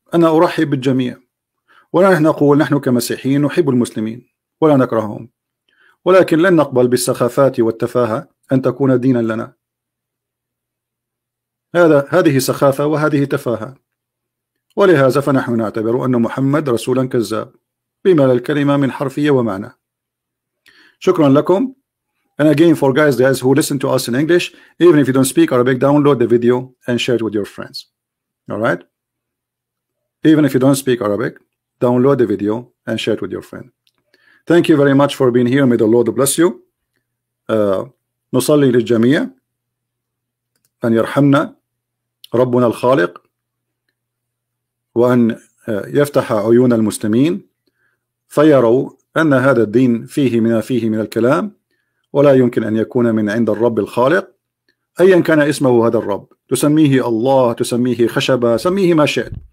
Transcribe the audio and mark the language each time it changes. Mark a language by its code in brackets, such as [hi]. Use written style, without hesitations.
[ar] أنا أرحب بالجميع، ونحن نقول نحن كمسيحيين نحب المسلمين ولا نكرههم، ولكن لن نقبل بالسخافات والتفاهة أن تكون دينا لنا. هذه سخافة وهذه تفاهة، ولهذا فنحن نعتبر أن محمد رسولا كذاب بما لا الكلمة من حرفية ومعنى. شكرا لكم. [en] And again for guys who listen to us in English, even if you don't speak Arabic, download the video and share it with your friends. All right? Even if you don't speak Arabic, download the video and share it with your friend. Thank you very much for being here. May the Lord bless you. [ar] نصلي للجميع أن يرحمنا ربنا الخالق، وأن يفتح عيون المسلمين فيروا أن هذا الدين فيه ما فيه من الكلام، ولا يمكن أن يكون من عند الرب الخالق أيا كان اسمه هذا الرب، تسميه الله، تسميه خشبة، سميه ما شئت.